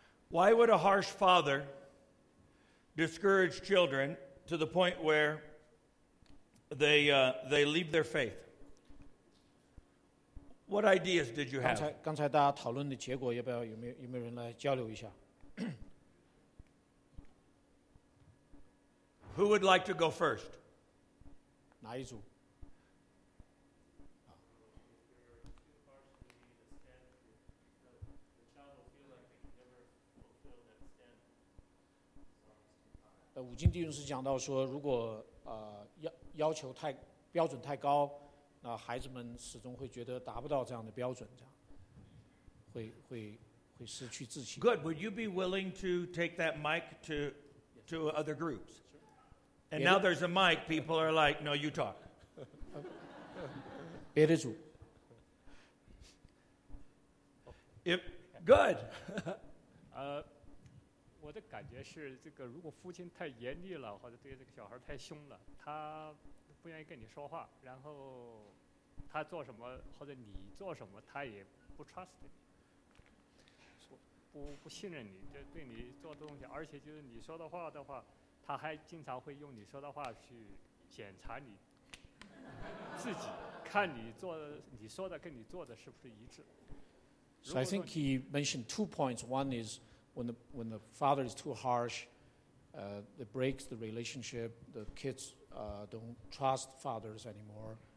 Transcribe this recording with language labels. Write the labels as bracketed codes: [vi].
[en] Why would a harsh father discourage children to the point where they leave their faith? What ideas did you have? [zh] 刚才大家讨论的结果，要不要有没有人来交流一下？ [en] Who would like to go first? [zh] 哪一组？五经弟兄是讲到说，如果要求太标准太高，那孩子们始终会觉得达不到这样的标准，这样会失去自信。 [en] Good. Would you be willing to take that mic to other groups? And now there's a mic. People are like, no, you talk. [zh] 别的组。 [en] If good. [zh] 我的感觉是，这个如果父亲太严厉了，或者对这个小孩太凶了，他不愿意跟你说话，然后他做什么或者你做什么，他也不 trust 你，不信任你，就对你做的东西，而且就是你说的话的话，他还经常会用你说的话去检查你自己，看你做的你说的跟你做的是不是一致。 [en] So I think he mentioned two points. One is When the father is too harsh, it breaks the relationship. The kids don't trust fathers anymore.